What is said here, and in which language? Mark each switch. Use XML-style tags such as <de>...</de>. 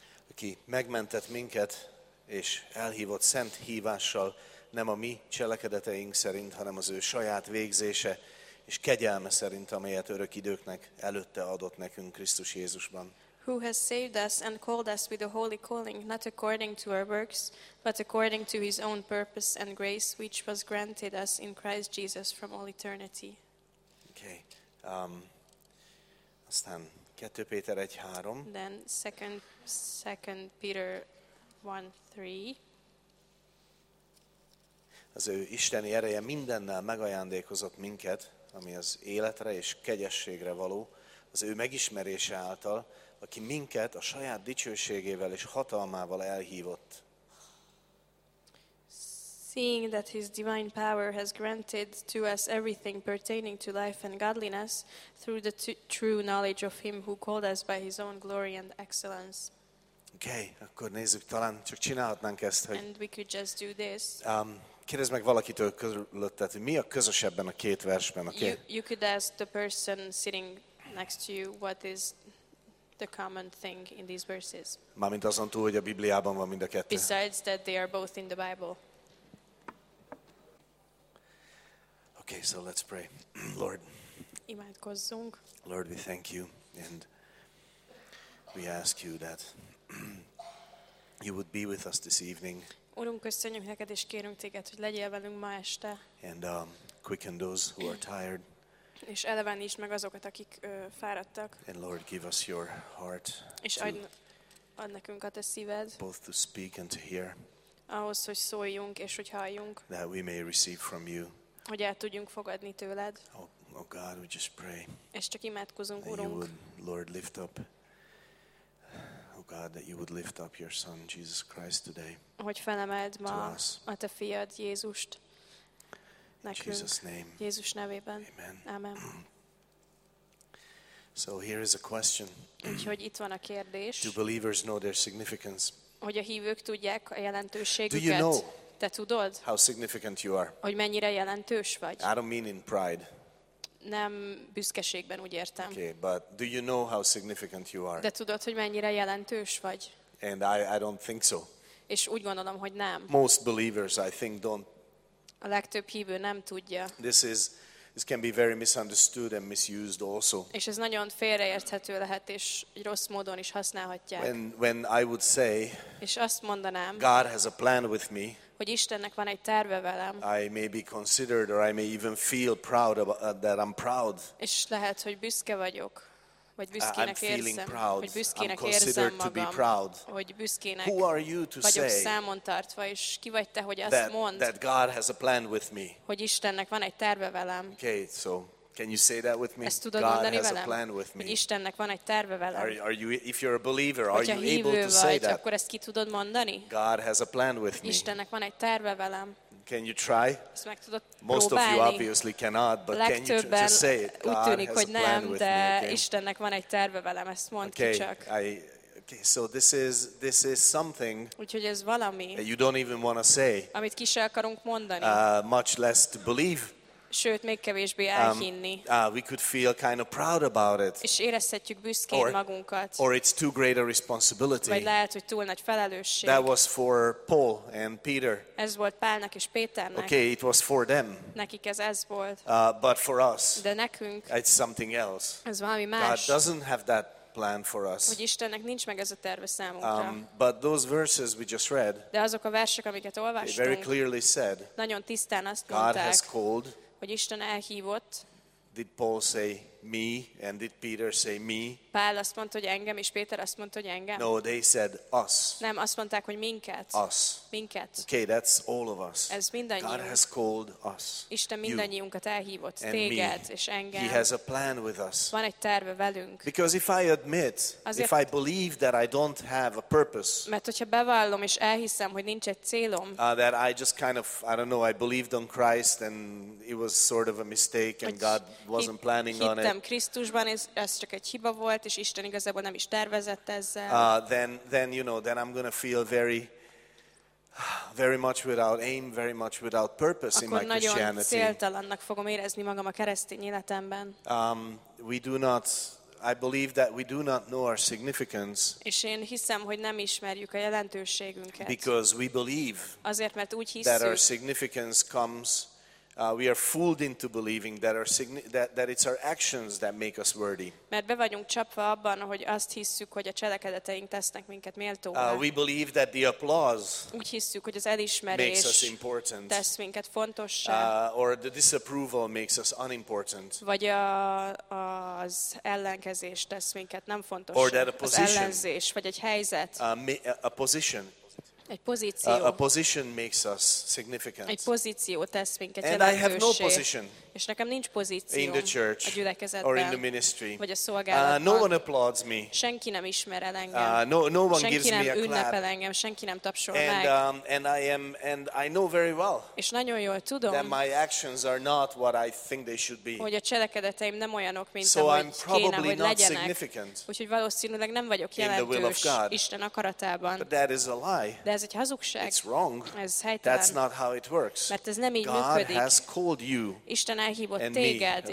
<hu>Aki megmentett minket és elhívott szent hívással, nem a mi cselekedeteink szerint, hanem az ő saját végzése és kegyelme szerint, amelyet örök időknek előtte adott nekünk Krisztus Jézusban.</hu> <en>Who has saved us and called us with a holy calling, not according to our works, but according to his own purpose and grace, which was granted us in Christ Jesus from all eternity. Okay.</en> <hu>Aztán 2 Péter 1:3.</hu> <en>Then 2 Peter 1:3.</en> <hu>Az ő isteni ereje mindennel megajándékozott minket, ami az életre és kegyességre való, az ő megismerése által, aki minket a saját dicsőségével és hatalmával elhívott.</hu> <en>Seeing that his divine power has granted to us everything pertaining to life and godliness through the true knowledge of him who called us by his own glory and excellence.</en> <hu>Okay, akkor nézzük, talán csak csinálhatnánk ezt, hogy...</hu> <en>And we could just do this.</en> <hu>Kérdezz meg valakitől körülötted, hogy mi a közös ebben a két versben, oké?</hu> <en>Okay? You could ask the person sitting next to you what is the common thing in these verses.</en> <hu>Mármint azon túl, hogy a Bibliában van mind a kettő.</hu> <en>Besides that they are both in the Bible. Okay, so let's pray. Lord.</en> <hu>Imádkozzunk.</hu> <en>Lord, we thank you and we ask you that you would be with us this evening.</en> <hu>Urunk, köszönjük neked, és kérünk téged, hogy legyél velünk ma este.</hu> <en>And quicken those who are tired.</en> <hu>És elevenítsd meg azokat, akik fáradtak.</hu> <en>And Lord, give us your heart.</en> <hu>És ad nekünk a te szíved.</hu> <en>Both to speak and to hear.</en> <hu>Ahhoz, hogy szóljunk, és hogy halljunk.</hu> <en>That we may receive from you.</en> <hu>Hogy el tudjunk fogadni tőled.</hu> <en>Oh God, we just pray.</en> <hu>És csak imádkozunk, Urunk.</hu> <en>That you would, Lord, lift up. Oh God, that you would lift up your son Jesus Christ today.</en> <hu>Hogy felemeld ma a te fiad Jézust nekünk.</hu> <en>In Jesus name.</en> <hu>Jézus nevében.</hu> <en>Amen.</en> <hu>Amen.</hu> <en>So here is a question.</en> <hu>Úgyhogy itt van a kérdés.</hu> <en>Do believers know their significance?</en> <hu>Hogy a hívők tudják a jelentőségüket?</hu> <en>Do you know?</en> <hu>Te tudod?</hu> <en>How significant you are?</en> <hu>Hogy mennyire jelentős vagy?</hu> <en>I don't mean in pride.</en> <hu>Nem büszkeségben, úgy értem.</hu> <en>Okay, but do you know how significant you are?</en> <hu>De tudod, hogy mennyire jelentős vagy?</hu> <en>And I don't think so.</en> <hu>És úgy gondolom, hogy nem.</hu> <en>Most believers I think don't.</en> <hu>A legtöbb hívő nem tudja.</hu> <en>This can be very misunderstood and misused also.</en> <hu>És ez nagyon félreérthető lehet, és rossz módon is használhatják.</hu> <en>When I would say,</en> <hu>és azt mondanám,</hu> <en>God has a plan with me.</en> <hu>Hogy Istennek van egy terve velem.</hu> <en>I may be considered or I may even feel proud about that I'm proud.</en> <hu>És lehet, hogy büszke vagyok. Vagy büszkének érzem.</hu> <en>I'm feeling proud.</en> <hu>Vagy büszkének érzem magam.</hu> <en>Considered to be proud.</en> <hu>Hogy büszkének.</hu> <en>Who are you to</en> <hu>vagyok</hu> <en>say</en> <hu>számon tartva, és ki vagy te, hogy</hu> <en>that,</en> <hu>azt mondd.</hu> <en>That God has a plan with me.</en> <hu>Hogy Istennek van egy terve velem.</hu> <en>Okay, so can you say that with me?</en> <hu>Ezt tudod</hu> <en>God</en> <hu>mondani</hu> <en>has</en> <hu>velem?</hu> <en>A plan with me.</en> <hu>Hogy Istennek van egy terve velem.</hu> <en>Are you, if you're a believer, are you able to</en> <hu>vagy,</hu> <en>say that?</en> <hu>Akkor ezt ki tudod mondani?</hu> <en>God has a plan with</en> <hu>Istennek</hu> <en>me.</en> <hu>Istennek van egy terve velem.</hu> <en>Can you try?</en> <hu>Ezt meg tudod próbálni.</hu> <en>Most of you obviously cannot, but can you just say it?</en> <hu>God úgy tűnik, hogy nem, de Istennek van egy terve velem, ezt mond</hu> <en>okay,</en> <hu>ki csak.</hu> <en>Okay, so this is something.</en> <hu>Úgyhogy ez valami.</hu> <en>That you don't even want to say.</en> <hu>Amit ki sem akarunk mondani.</hu> <en>Much less to believe.</en> <hu>Sőt, még kevésbé elhinni.</hu> <en>We could feel kind of proud about it.</en> <hu>És érezhetjük büszkén magunkat.</hu> <en>Or it's too great a responsibility.</en> <hu>Vagy lehet, hogy túl nagy felelősség.</hu> <en>That was for Paul and Peter.</en> <hu>Ez volt Pálnak és Péternek.</hu> <en>Okay, it was for them.</en> <hu>Nekik ez volt.</hu> <en>But for us.</en> <hu>De nekünk.</hu> <en>It's something else.</en> <hu>Ez valami más.</hu> <en>God doesn't have that plan for us.</en> <hu>Hogy Istennek nincs meg ez a terve számunkra.</hu> <en>But those verses we just read.</en> <hu>De azok a versek, amiket olvastunk.</hu> <en>They very clearly said.</en> <hu>Nagyon tisztán azt</hu> <en>God</en> <hu>mondták.</hu> <en>God has called.</en> <hu>hogy Isten elhívott.</hu> <en>Did Paul say me and did Peter say me?</en> <hu>Pál azt mondta, hogy engem, és Péter azt mondta, hogy engem.</hu> <en>No, they said us.</en> <hu>Nem, azt mondták, hogy minket.</hu> <en>Us.</en> <hu>Minket.</hu> <en>Okay, that's all of us.</en> <hu>Ez mindannyiunk.</hu> <en>God has called us.</en> <hu>Isten mindannyiunkat elhívott, téged és engem.</hu> <en>He has a plan with us.</en> <hu>Van egy terve velünk.</hu> <en>Because if I admit, if I believe that I don't have a purpose.</en> <hu>Mert hogyha bevallom és elhiszem, hogy nincs egy célom.</hu> <en>That I just kind of, I don't know, I believed on Christ and it was sort of a mistake and God wasn't planning on it.</en> <hu>Hittem Krisztusban, ez csak egy hiba volt, és Isten igazából nem is tervezett ezzel.</hu> <en>Then you know, then I'm going to feel very very much without aim, very much without purpose</en> <hu>akkor</hu> <en>in my Christianity.</en> <hu>Akkor nagyon céltalannak fogom érezni magam a keresztény életemben.</hu> <en>We do not, I believe that we do not know our significance.</en> <hu>És én hiszem, hogy nem ismerjük a jelentőségünket.</hu> <en>Because we believe.</en> <hu>Azért, mert úgy hiszük.</hu> <en>That our significance comes we are fooled into believing that our that it's our actions that make us worthy.</en> <hu>Mert be vagyunk csapva abban, hogy azt hisszük, hogy a cselekedeteink tesznek minket méltóvá.</hu> <en>We believe that the applause.</en> <hu>Úgy hisszük, hogy az elismerés</hu> <en>makes us important.</en> <hu>Tesz minket fontossá.</hu> <en>Or the disapproval makes us unimportant.</en> <hu>Vagy az ellenkezés tesz minket nem fontossá.</hu> <en>Or that a position.</en> <hu>Az ellenzés, vagy egy helyzet.</hu> <en>A position.</en> <hu>Egy pozíció.</hu> <en>A position makes us significant.</en> <hu>Egy pozíció tesz minket jelentőssé.</hu> <en>And I have no position.</en> <hu>És nekem nincs pozíció.</hu> <en>In the church.</en> <hu>A gyülekezetben.</hu> <en>Or in the ministry.</en> <hu>Vagy a szolgálatban.</hu> <en>No one applauds me.</en> <hu>Senki nem ismer el engem.</hu> <en>No one</en> <hu>senki</hu> <en>gives me a clap.</en> <hu>Senki nem ünnepel engem. Senki nem tapsol meg.</hu> <en>And I know very well.</en> <hu>És nagyon jól tudom.</hu> <en>That my actions are not what I think they should be.</en> <hu>Hogy a cselekedeteim nem olyanok, mint</hu> <en>so</en> <hu>amit</hu> <en>I'm probably</en> <hu>kéne, hogy legyenek.</hu> <en>Not significant.</en> <hu>Úgyhogy valószínűleg nem vagyok jelentős</hu> <en>in the will of God.</en> <hu>Isten akaratában.</hu> <en>But that is a lie.</en> <hu>De ez egy hazugság.</hu> <en>It's wrong.</en> <hu>Ez helytelen.</hu> <en>That's not how it works.</en> <hu>Mert ez nem így</hu> <en>God</en> <hu>működik.</hu> <en>Has called you.</en> <hu>Isten elhívott téged</hu> <en>me, okay?</en>